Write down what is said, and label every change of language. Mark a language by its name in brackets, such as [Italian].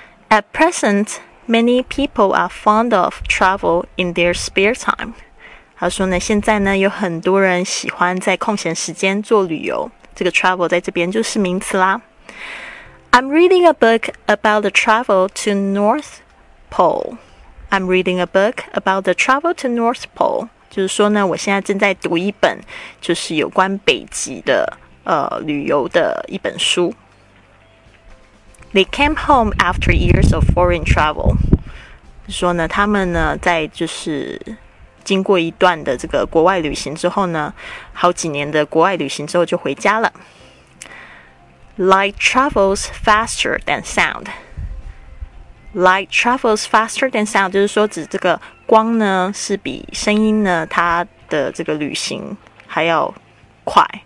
[English] At present, many people are fond of travel in their spare time. [Chinese] 他说呢，现在呢有很多人喜欢在空闲时间做旅游。这个 travel 在这边就是名词啦。 [English] I'm reading a book about the travel to North Pole. I'm reading a book about the travel to North Pole. [Chinese] 就是说呢，我现在正在读一本就是有关北极的旅游的一本书。 [English] They came home after years of foreign travel. [Chinese] 就是说呢，他们呢在就是经过一段的这个国外旅行之后呢，好几年的国外旅行之后就回家了。 [English] Light travels faster than sound. [Chinese] Light travels faster than sound， 就是说指这个光呢是比声音呢它的这个旅行还要快。